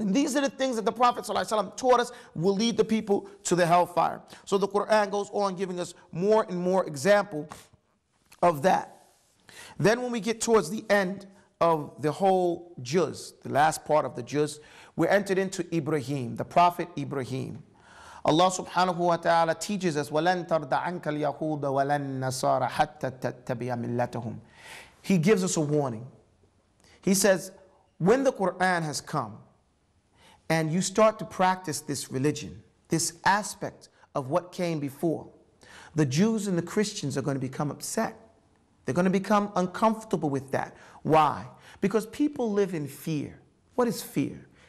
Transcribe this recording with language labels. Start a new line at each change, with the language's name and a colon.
English: And these are the things that the Prophet ﷺ taught us will lead the people to the hellfire. So the Quran goes on giving us more and more example of that. Then when we get towards the end of the whole juz, the last part of the juz, we're entered into Ibrahim, the Prophet Ibrahim. Allah subhanahu wa ta'ala teaches us,
Arabic: وَلَن تَرْضَ عَنْكَ الْيَهُودَ وَلَن نَصَارَ حَتَّى تَتَّبِيَ مِلَّتَهُمْ.
English: He gives us a warning. He says, when the Quran has come and you start to practice this religion, this aspect of what came before, the Jews and the Christians are going to become upset. They're going to become uncomfortable with that. Why? Because people live in fear. What is fear?